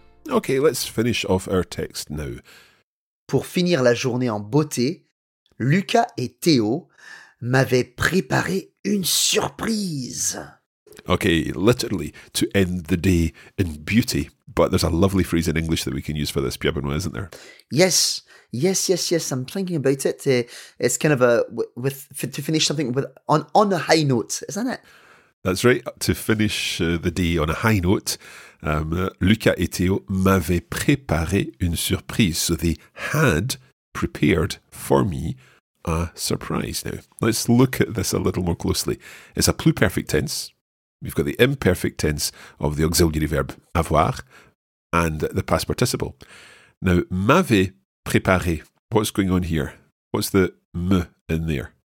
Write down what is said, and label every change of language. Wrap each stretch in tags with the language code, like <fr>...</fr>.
<en>Ok, let's finish off our text now.</en> <fr>Pour finir la journée en beauté, Lucas et Théo m'avaient préparé une surprise.</fr> <en>Ok, literally, to end the day in beauty. But there's a lovely phrase in English that we can use for this, Pierre Benoît, isn't there? Yes. I'm thinking about it. It's kind of a, with to finish something with on a high note, isn't it? That's right, to finish the day on a high note.</en> <fr>Lucas et Théo m'avaient préparé une surprise.</fr> <en>So they had prepared for me a surprise. Now, let's look at this a little more closely. It's a pluperfect tense. We've got the imperfect tense of the auxiliary verb avoir and the past participle. Now,</en> <fr>m'avait préparé,</fr> <en>what's going on here? What's the me in there?</en>